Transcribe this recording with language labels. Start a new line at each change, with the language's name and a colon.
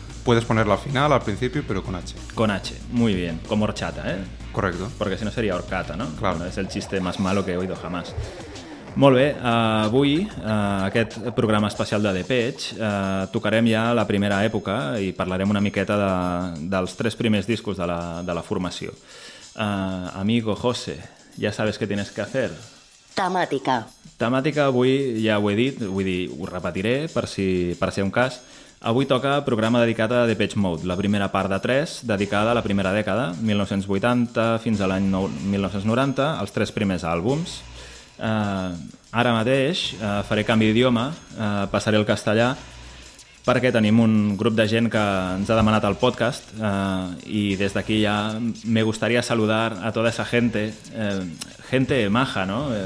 Spanish: Puedes ponerla al final, al principio, pero con H. Con H, muy bien. Como horchata, ¿eh? Correcto. Porque si no sería horcata, ¿no? Claro. Bueno, es el chiste más malo que he oído jamás.
Catalan: Molt bé, avui, aquest programa especial de Depeche, tocarem ja la primera època i parlarem una miqueta dels tres primers discos de la formació.
Spanish: Amigo José, ya sabes qué tienes que hacer.
Catalan: Temàtica. Temàtica, avui ja ho he dit, vull dir, ho repetiré per si hi ha un cas. Avui toca programa dedicat a Depeche Mode, la primera part de 3, dedicada a la primera dècada, 1980 fins a l'any 1990, els tres primers àlbums. Ara mateix faré canvi d'idioma, passaré al castellà, perquè tenim un grup de gent que ens ha demanat el podcast, i des d'aquí ja
Spanish: me gustaría saludar a toda esa gente, gente maja, ¿no?